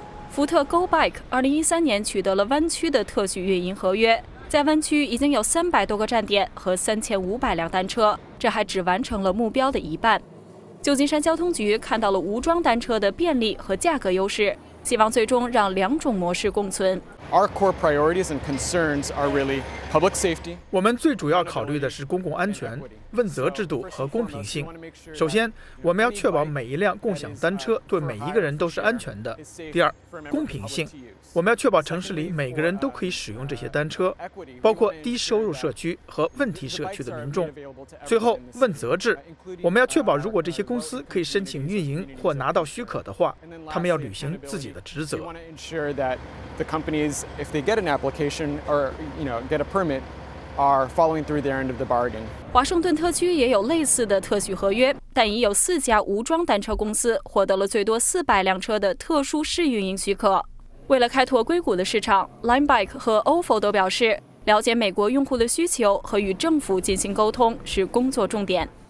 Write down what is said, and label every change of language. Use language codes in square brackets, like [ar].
[zh] 福特 GoBike 2013年取得了湾区的特许运营合约，在湾区已经有300多个站点和3500辆单车，这还只完成了目标的一半。旧金山交通局看到了无桩单车的便利和价格优势，希望最终让两种模式共存。 [en] Our core priorities and concerns are really public safety. [zh] 我们最主要考虑的是公共安全、问责制度和公平性。首先，我们要确保每一辆共享单车对每一个人都是安全的。第二，公平性，我们要确保城市里每个人都可以使用这些单车，包括低收入社区和问题社区的民众。最后，问责制，我们要确保如果这些公司可以申请运营或拿到许可的话，他们要履行自己的职责。 [en] If they get an application or, you know, get a permit, are following through their end of the bargain. [zh] 华盛顿特区也有类似的特许合约，但已有四家无桩单车公司获得了最多400辆车的特殊试运营许可。为了开拓硅谷的市场 ，Linebike 和 Ofo 都表示，了解美国用户的需求和与政府进行沟通是工作重点。